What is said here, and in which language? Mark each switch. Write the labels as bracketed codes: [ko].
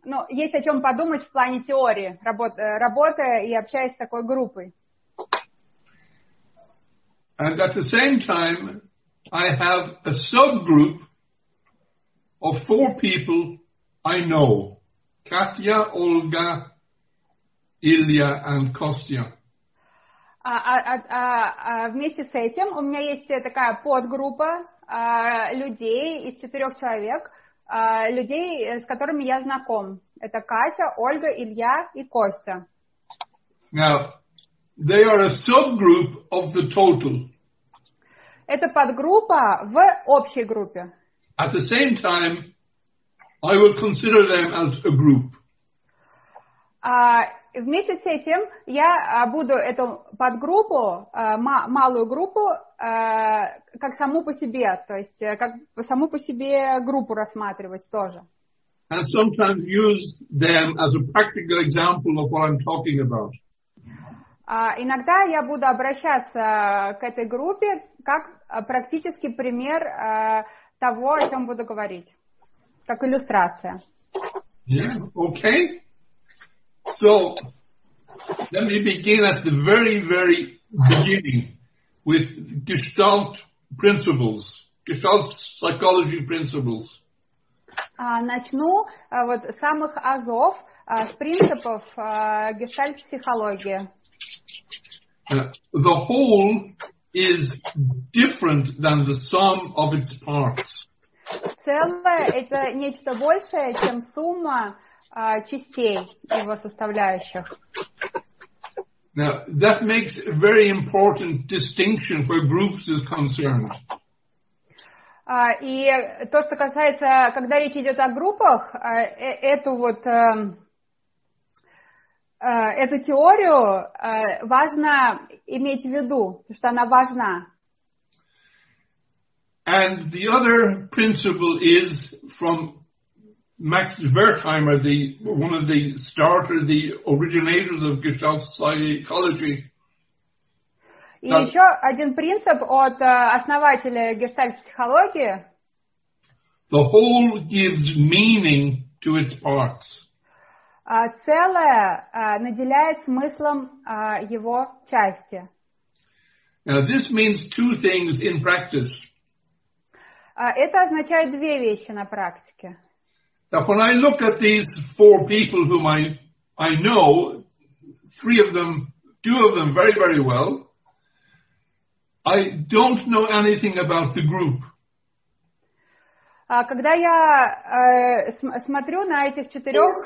[ru] есть о чем подумать в плане теории, работы и общаясь с такой группой. [en] And at the same time, I have a subgroup of four people I know. Katya, Olga, Ilya and Kostya. [ru] Вместе с этим у меня есть такая подгруппа людей из четырех человек, людей, с которыми я знаком. Это Катя, Ольга, Илья и Костя. [en] Now, they are a subgroup of the total. [ru] Это подгруппа в общей группе. [en] At the same time, I would consider them as a group. [ru] Вместе с этим я буду эту подгруппу, малую группу, как саму по себе, то есть как саму по себе группу рассматривать тоже. [en] And sometimes use them as a practical example of what I'm talking about. [ru] Иногда я буду обращаться к этой группе как практический пример того, о чем буду говорить, как иллюстрация. [en] Yeah, okay. So, let me begin at the very, very beginning with Gestalt principles, Gestalt psychology principles. [ru] Начну вот с самых азов, с принципов гештальт-психологии. [en] The whole is different than the sum of its parts. [ru] Целое – это нечто большее, чем сумма частей его составляющих. [en] Now, that makes a very important distinction where groups is concerned. [ru] И то, что касается, когда речь идет о группах, эту теорию важно иметь в виду, потому что она важна. [en] And the other principle is from Max Wertheimer, one of the starters, the originators of Gestalt psychology. [ru] И еще один принцип от основателя гештальт-психологии. [en] The whole gives meaning to its parts. [ru] Целое наделяет смыслом его части. [en] Now, this means two things in practice. [ru] Это означает две вещи на практике. [en] Now, when I look at these four people whom I know, three of them, two of them very, very well, I don't know anything about the group. [ru] Когда я смотрю на этих четырех...